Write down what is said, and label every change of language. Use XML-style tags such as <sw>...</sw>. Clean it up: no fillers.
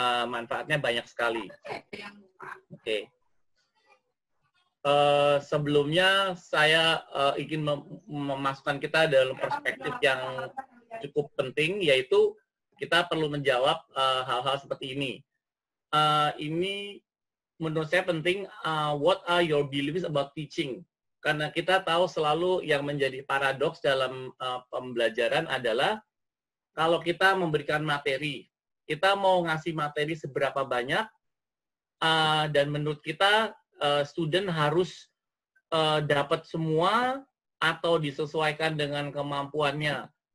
<id>Manfaatnya banyak sekali. Oke. Sebelumnya saya ingin memasukkan kita dalam perspektif yang cukup penting, yaitu kita perlu menjawab hal-hal seperti ini. Ini menurut saya penting,</id> <en>what are your beliefs about teaching?</en> <id>Karena kita tahu selalu yang menjadi paradoks dalam pembelajaran adalah kalau kita memberikan materi, kita mau ngasih materi seberapa banyak, dan menurut kita student harus dapat semua atau disesuaikan dengan kemampuannya.</id>